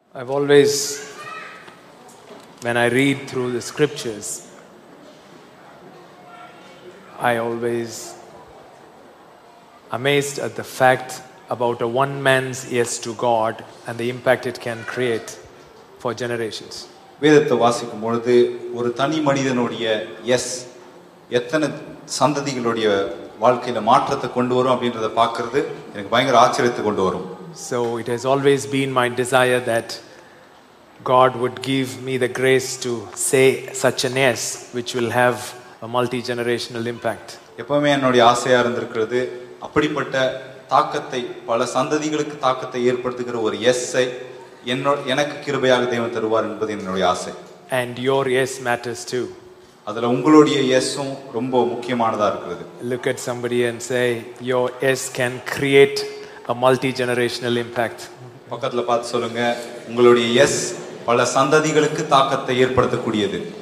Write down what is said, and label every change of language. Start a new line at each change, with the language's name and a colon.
English: I've always, when I read through the scriptures, I always amazed at the fact about a one man's yes to God and the impact it can create for generations.
Tamil: வேதத்தை வாசிக்கும் பொழுது ஒரு தனி மனிதனுடைய S எத்தனை சந்ததிகளுடைய வாழ்க்கையில மாற்றத்தை கொண்டு வரும் அப்படின்றத பார்க்கிறது எனக்கு பயங்கர ஆச்சரியத்தை கொண்டு வரும்.
English: So it has always been my desire that God would give me the grace to say such an yes which will have a multi-generational impact.
Tamil: எப்பவுமே என்னுடைய ஆசையா இருந்திருக்கிறது அப்படிப்பட்ட தாக்கத்தை பல சந்ததிகளுக்கு தாக்கத்தை ஏற்படுத்துகிற ஒரு எஸ்ஐ என்னோட எனக்கு கிருபையாக தேவன் தருவார் என்பது என்னுடைய ஆசை.
English: And your yes matters too.
Tamil: அதுல உங்களுடைய எஸ்ஸும் ரொம்ப முக்கியமானதா இருக்குது.
English: Look at somebody and say your yes can create a multi-generational impact.
Tamil: பக்கத்துல பார்த்து சொல்லுங்க உங்களுடைய எஸ் பல சந்ததிகளுக்கு தாக்கத்தை ஏற்படுத்தக்கூடியது.